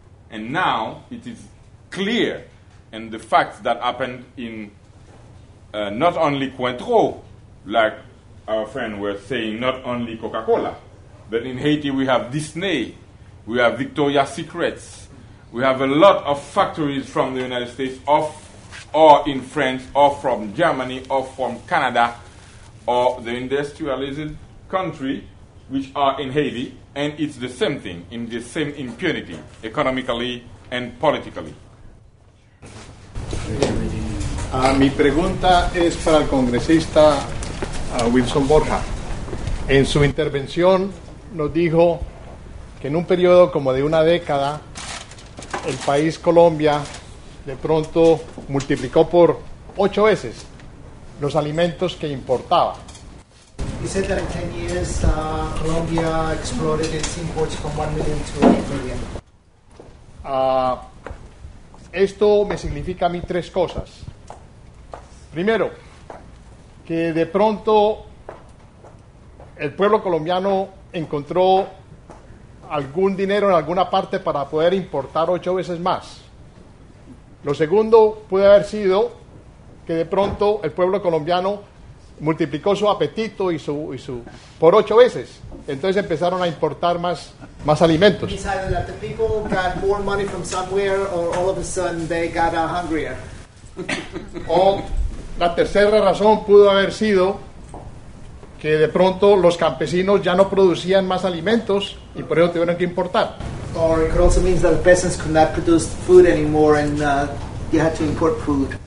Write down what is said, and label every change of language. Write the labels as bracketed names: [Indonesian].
[English] And now it is clear, and the facts that happened in not only Cointreau, like our friend was saying, not only Coca-Cola, but in Haiti we have Disney, we have Victoria's Secrets, we have a lot of factories from the United States or in France or from Germany or from Canada or the industrialized country which are in Haiti, and it's the same thing, in the same impunity, economically and politically. [Spanish] Mi pregunta es para el congresista Wilson Borja. En su intervención nos dijo que en un periodo como de una década, el país Colombia de pronto multiplicó por 8 veces los alimentos que importaba. [English] He said that in 10 years, Colombia exploded its imports from 1 million to 8 million. [Spanish] Esto me significa a mí tres cosas. Primero, que de pronto el pueblo colombiano encontró algún dinero en alguna parte para poder importar 8 veces más. Lo segundo puede haber sido que de pronto el pueblo colombiano multiplicó su apetito y su por 8 veces. Entonces empezaron a importar más alimentos. [English] He decided that the people got more money from somewhere or all of a sudden they got hungrier. [Spanish] O la tercera razón pudo haber sido que de pronto los campesinos ya no producían más alimentos y por eso tuvieron que importar. [English] Or it could also mean that the peasants could not produce food anymore and they had to import food.